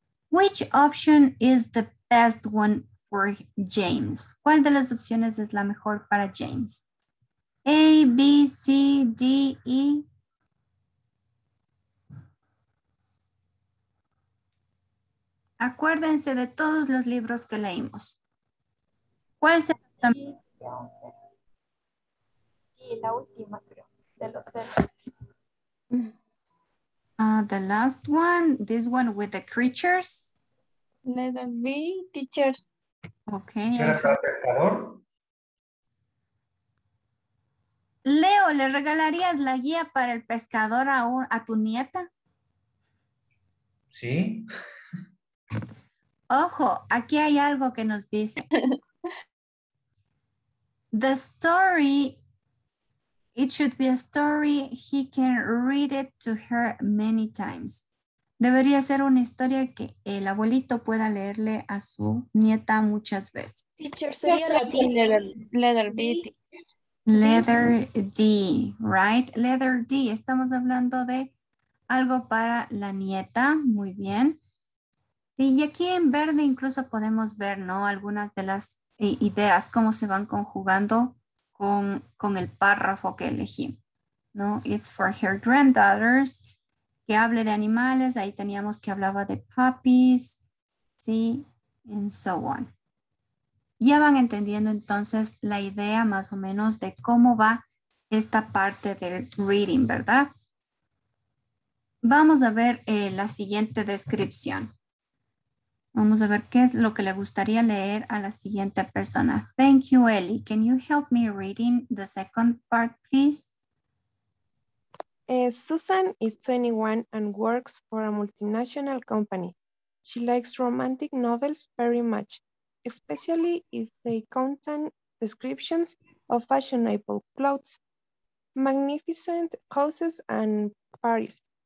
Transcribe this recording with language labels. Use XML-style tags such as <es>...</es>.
<en>Which option is the best one for James?</en> <es>¿Cuál de las opciones es la mejor para James?</es> <en>A, B, C, D, E.</en> <es>Acuérdense de todos los libros que leímos. ¿Cuál será? Sí, la última, creo.</es> <en>The last one, this one with the creatures. Letter B, teacher. Okay.</en> <es>¿Era para pescador? Leo, ¿le regalarías la guía para el pescador a tu nieta? Sí. Ojo, aquí hay algo que nos dice.</es> <en>The story, it should be a story he can read it to her many times.</en> <es>Debería ser una historia que el abuelito pueda leerle a su nieta muchas veces.</es> <en>Teacher,</en> <es>sería</es> <en>letter B. Letter D, right? Letter D,</en> <es>estamos hablando de algo para la nieta, muy bien. Sí, y aquí en verde incluso podemos ver, ¿no?, algunas de las ideas, cómo se van conjugando con el párrafo que elegí, ¿no?</es> <en>It's for her granddaughters,</en> <es>que hable de animales, ahí teníamos que hablaba de puppies, ¿sí?</es> <en>And so on.</en> <es>Ya van entendiendo entonces la idea más o menos de cómo va esta parte del reading, ¿verdad? Vamos a ver la siguiente descripción. Vamos a ver qué es lo que le gustaría leer a la siguiente persona.</es> <en>Thank you, Ellie. Can you help me reading the second part, please? Susan is 21 and works for a multinational company. She likes romantic novels very much, especially if they contain descriptions of fashionable clothes, magnificent houses and parties.</en>